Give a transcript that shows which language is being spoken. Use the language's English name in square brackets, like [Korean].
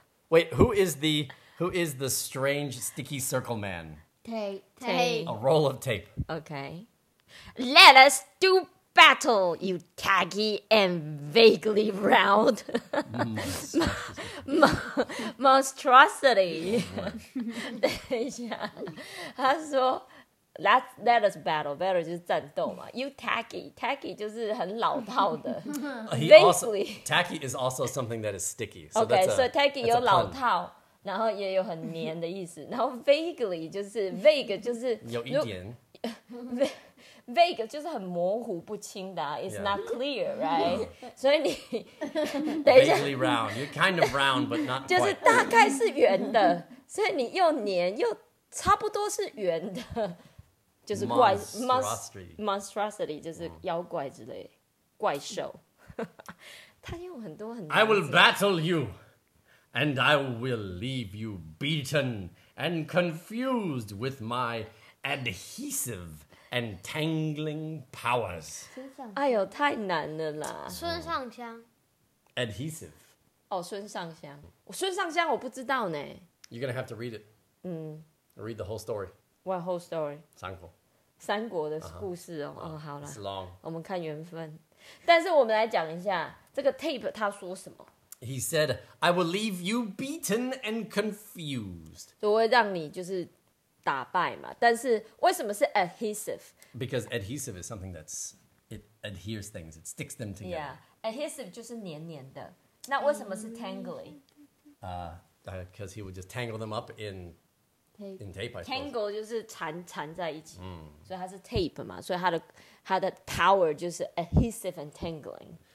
[English] Wait, who is the strange sticky circle man? Tape. A roll of tape. Okay. Let us do battle, you taggy and vaguely round monstrosity. [Chinese] 等一下，他说 [English] let us battle, [Chinese] battle 就是战斗嘛。 [English] You taggy [Chinese] 就是很老套的。 [English] Taggy is also something that is sticky. So okay, that's a, [Chinese] so taggy 有老套。然后也有很黏的意思，然后 vaguely 就是 vague 就是有一点 vague 就是很模糊不清的、啊、， [English] it's、yeah. not clear, right? [Chinese] 所以你等一下 [English] vaguely round, you're kind of round but not [Chinese] 就是大概是圆的，所以你又黏又差不多是圆的，就是怪 [English] monstrosity [Chinese] 就是妖怪之类怪兽，他用很多很 [English] I will battle you. And I will leave you beaten and confused with my adhesive and tangling powers. [Chinese] 哎呦，太难了啦！孙尚香。 [English] Adhesive. [Chinese] 哦，孙尚香。孙尚香我不知道呢。 [English] You're gonna have to read it. Read the whole story. What whole story? [Chinese] 三国。三国的故事哦。哦，好啦。 [English] It's long. [Chinese] 我们看缘分。但是我们来讲一下这个 tape 它说什么。 [English] He said, I will leave you beaten and confused. [Chinese] 就会让你就是打败嘛。但是为什么是 adhesive? [English] Because adhesive is something that's, it adheres things, it sticks them together. Yeah, [Chinese] adhesive 就是黏黏的。那为什么是 tangly? [English] Because he would just tangle them up in tape, I suppose. [Chinese] Tangle 就是缠在一起。所以它是 tape 嘛。所以它的 power 就是 [English] adhesive and tangling.